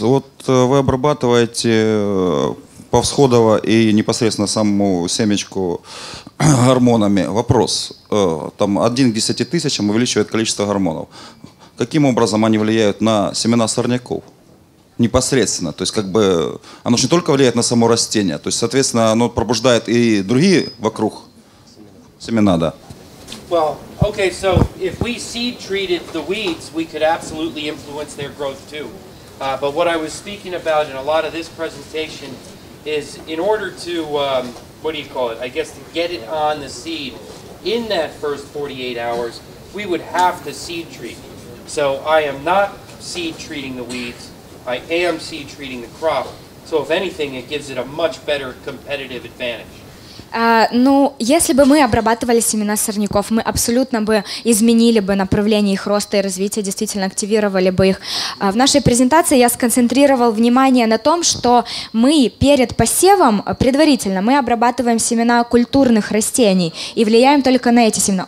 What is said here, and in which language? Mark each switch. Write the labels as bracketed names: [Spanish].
[Russian] Вот вы обрабатываете повсходово и непосредственно саму семечку гормонами. Вопрос. Там 1 к 10 000 увеличивает количество гормонов. Каким образом они влияют на семена сорняков непосредственно? То есть как бы оно же не только влияет на само растение, то есть, соответственно, оно пробуждает и другие вокруг семена, да. [English] Well, okay, so if we seed treated the weeds, we could absolutely influence their growth too. But what I was speaking about in a lot of this presentation is in order to, what do you call it, I guess to get it on the seed in that first 48 hours, we would have to seed treat. So I am not seed treating the weeds, I am seed treating the crop. So if anything, it gives it a much better competitive advantage. [Russian] Ну, если бы мы обрабатывали семена сорняков, мы абсолютно бы изменили бы направление их роста и развития, действительно активировали бы их. В нашей презентации я сконцентрировал внимание на том, что мы перед посевом, предварительно, мы обрабатываем семена культурных растений и влияем только на эти семена.